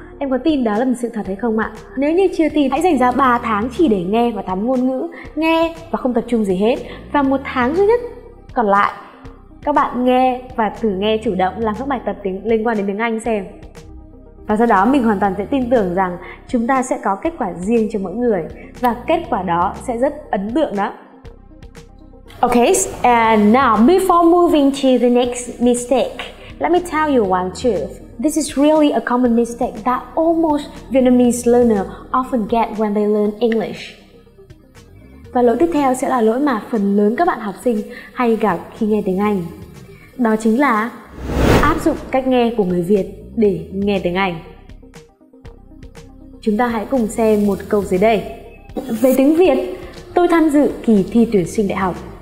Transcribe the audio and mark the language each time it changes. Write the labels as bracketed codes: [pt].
[vi] Em có tin đó là một sự thật hay không ạ? Nếu như chưa tin, hãy dành ra 3 tháng chỉ để nghe và tắm ngôn ngữ, nghe và không tập trung gì hết. Và 1 tháng duy nhất còn lại, các bạn nghe và thử nghe chủ động làm các bài tập liên quan đến tiếng Anh xem. Và sau đó mình hoàn toàn sẽ tin tưởng rằng chúng ta sẽ có kết quả riêng cho mỗi người và kết quả đó sẽ rất ấn tượng đó. [en] Okay, and now before moving to the next mistake, let me tell you one truth. This is really a common mistake that almost Vietnamese learners often get when they learn English. [vi] Và lỗi tiếp theo sẽ là lỗi mà phần lớn các bạn học sinh hay gặp khi nghe tiếng Anh. Đó chính là áp dụng cách nghe của người Việt để nghe tiếng Anh. Chúng ta hãy cùng xem một câu dưới đây. Về tiếng Việt, tôi tham dự kỳ thi tuyển sinh đại học.